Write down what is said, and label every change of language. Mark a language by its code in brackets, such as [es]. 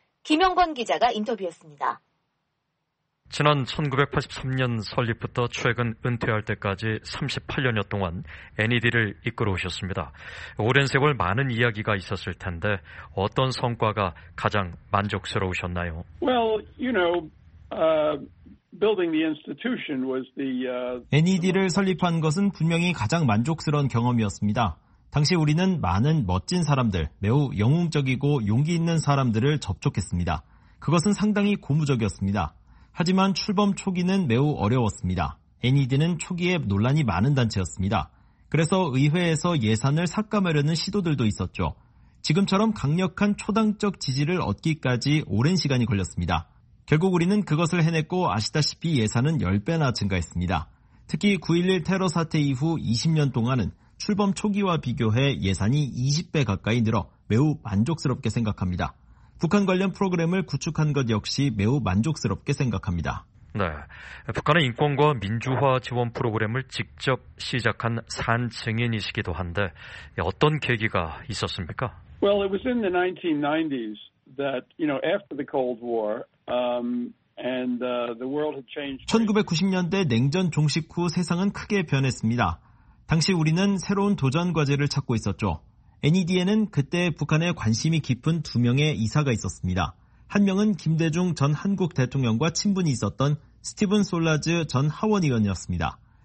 [ko] 김영권 기자가 인터뷰했습니다. 지난 1983년 설립부터 최근 은퇴할 때까지 38년여 동안 NED를 이끌어 오셨습니다. 오랜 세월 많은 이야기가 있었을 텐데 어떤 성과가 가장 만족스러우셨나요? [en] Well, you know, building the institution was the [ko] NED를 설립한 것은 분명히 가장 만족스러운 경험이었습니다. 당시 우리는 많은 멋진 사람들, 매우 영웅적이고 용기 있는 사람들을 접촉했습니다. 그것은 상당히 고무적이었습니다. 하지만 출범 초기는 매우 어려웠습니다. NED는 초기에 논란이 많은 단체였습니다. 그래서 의회에서 예산을 삭감하려는 시도들도 있었죠. 지금처럼 강력한 초당적 지지를 얻기까지 오랜 시간이 걸렸습니다. 결국 우리는 그것을 해냈고 아시다시피 예산은 10배나 증가했습니다. 특히 9.11 테러 사태 이후 20년 동안은 출범 초기와 비교해 예산이 20배 가까이 늘어 매우 만족스럽게 생각합니다. 북한 관련 프로그램을 구축한 것 역시 매우 만족스럽게 생각합니다. 네, 북한의 인권과 민주화 지원 프로그램을 직접 시작한 산증인이시기도 한데 어떤 계기가 있었습니까? [en] Well, it was in the 1990s that, you know, after the Cold War, and the world had changed. [ko] 1990년대 냉전 종식 후 세상은 크게 변했습니다. 당시 우리는 새로운 도전 과제를 찾고 있었죠. NED에는 그때 북한에 관심이 깊은 두 명의 이사가 있었습니다. 한 명은 김대중 전 한국 대통령과 친분이 있었던 스티븐 솔라즈 전 하원의원이었습니다.